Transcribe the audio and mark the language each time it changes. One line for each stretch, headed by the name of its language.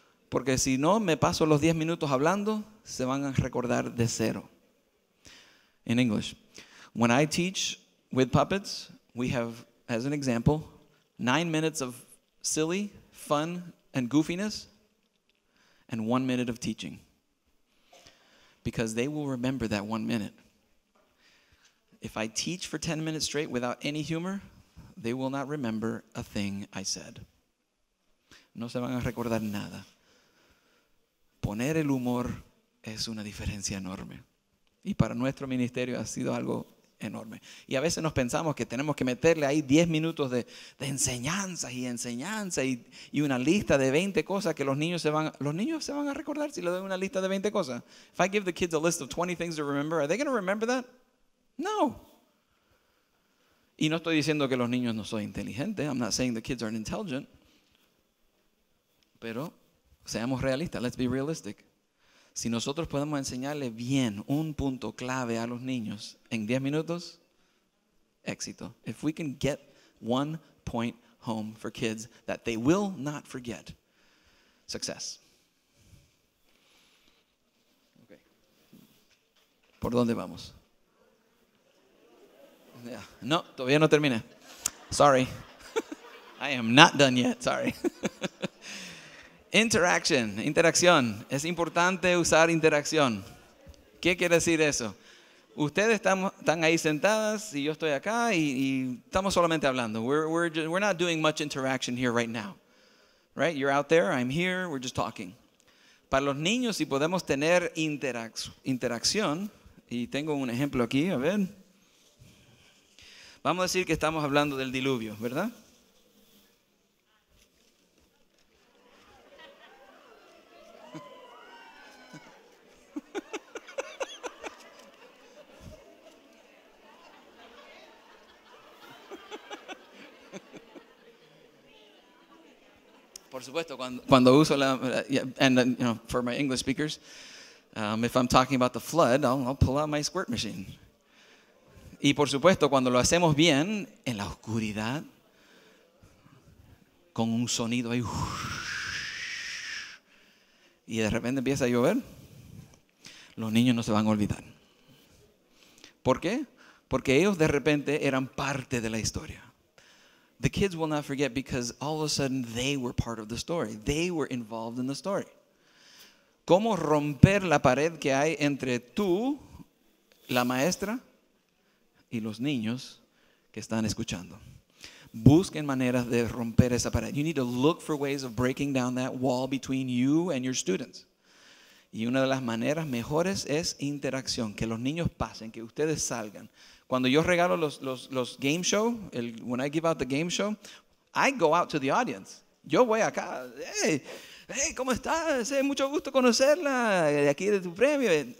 Spanish: Porque si no, me paso los 10 minutos hablando, se van a recordar de cero.
English: In English, when I teach with puppets, we have, as an example, 9 minutes of silly, fun, and goofiness, and 1 minute of teaching. Because they will remember that 1 minute. If I teach for 10 minutes straight without any humor, they will not remember a thing I said.
Spanish: No se van a recordar nada. Poner el humor es una diferencia enorme. Y para nuestro ministerio ha sido algo enorme. Y a veces nos pensamos que tenemos que meterle ahí 10 minutos de enseñanza y una lista de 20 cosas que los niños se van a recordar si le doy una lista de 20 cosas.
English: If I give the kids a list of 20 things to remember, are they going to remember that?
Spanish: No. Y no estoy diciendo que los niños no son inteligentes.
English: I'm not saying the kids aren't intelligent.
Spanish: Pero Seamos realistas,
English: let's be realistic.
Spanish: Si nosotros podemos enseñarle bien un punto clave a los niños en 10 minutos, éxito.
English: If we can get one point home for kids that they will not forget, success.
Spanish: Okay. ¿Por dónde vamos?
English: Yeah.
Spanish: No, todavía no terminé.
English: Sorry. I am not done yet, sorry.
Spanish: Interaction, interacción. Es importante usar interacción. ¿Qué quiere decir eso? Ustedes están ahí sentadas y yo estoy acá y estamos solamente hablando.
English: We're not doing much interaction here right now. Right? You're out there, I'm here, we're just talking.
Spanish: Para los niños, si podemos tener interacción, y tengo un ejemplo aquí, a ver. Vamos a decir que estamos hablando del diluvio, ¿verdad? Por supuesto, cuando uso la,
English: and you know, for my English speakers, if I'm talking about the flood, I'll pull out my squirt machine.
Spanish: Y por supuesto, cuando lo hacemos bien, en la oscuridad, con un sonido ahí, y de repente empieza a llover, los niños no se van a olvidar. ¿Por qué? Porque ellos de repente eran parte de la historia.
English: The kids will not forget because all of a sudden they were part of the story. They were involved in the story.
Spanish: ¿Cómo romper la pared que hay entre tú, la maestra, y los niños que están escuchando? Busquen maneras de romper esa pared.
English: You need to look for ways of breaking down that wall between you and your students.
Spanish: Y una de las maneras mejores es interacción, que los niños pasen, que ustedes salgan. Cuando yo regalo los game show,
English: when I give out the game show, I go out to the audience.
Spanish: Yo voy acá, hey, ¿cómo estás? Mucho gusto conocerla, aquí de tu premio.